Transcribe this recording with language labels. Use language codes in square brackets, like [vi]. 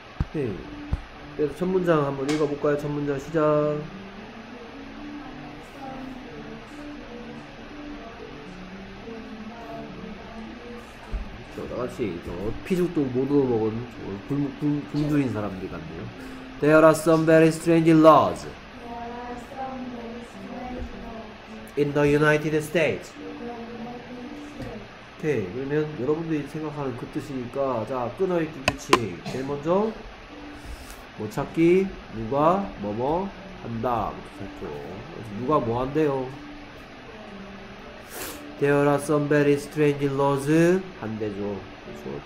[ko] 오케이. 그래서 첫 문장 한번 읽어볼까요? 첫 문장 시작. 저, 나같이, 피죽도 못 얻어먹은, 굶주린 사람들 같네요. [en] There are some very strange laws in the United States. [ko] 오케이. 그러면 여러분들이 생각하는 그 뜻이니까, 자, 끊어읽기 규칙. 제일 먼저, 뭐 찾기, 누가, 뭐뭐, 한다. 누가 뭐 한대요? [en] There are some very strange laws. [ko] 한대죠. 그렇죠?